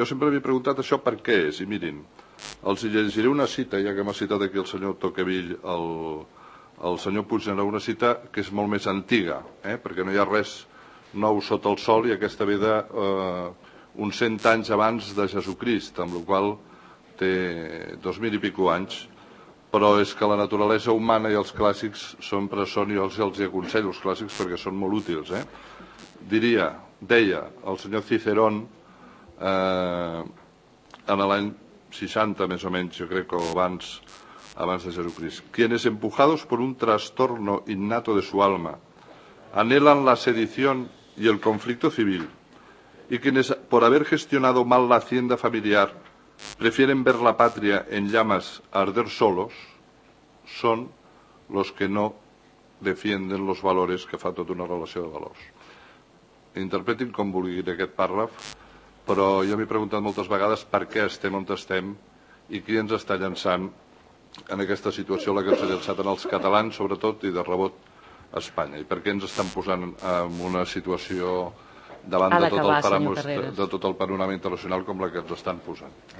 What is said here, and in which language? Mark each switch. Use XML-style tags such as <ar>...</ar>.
<ca>Jo sempre m'he preguntat això per què és, i mirin, els llegiré una cita, ja que m'ha citat aquí el senyor Tocqueville, el senyor Puigneró, una cita que és molt més antiga, perquè no hi ha res nou sota el sol, i aquesta ve d'uns 100 anys abans de Jesucrist, amb la qual té 2.000 i pico anys, però és que la naturalesa humana i els clàssics sempre són, i els aconsello, els clàssics, perquè són molt útils. Deia el senyor Cicerón en l'any 60, més o menys, jo crec que abans de Jesucrist.</ca> <es>Quienes empujados por un trastorno innato de su alma anhelan la sedición y el conflicto civil, y quienes por haber gestionado mal la hacienda familiar prefieren ver la patria en llamas arder solos, son los que no defienden los valores,</es> <ca>que fa tota una relació de valors. Interpretin com vulguin aquest pàrraf, però jo m'he preguntat moltes vegades per què estem on estem i qui ens està llançant en aquesta situació, la que ens ha llançat en els catalans, sobretot, i de rebot a Espanya. I per què ens estan posant en una situació davant de tot el panorama internacional com la que ens estan posant.</ca>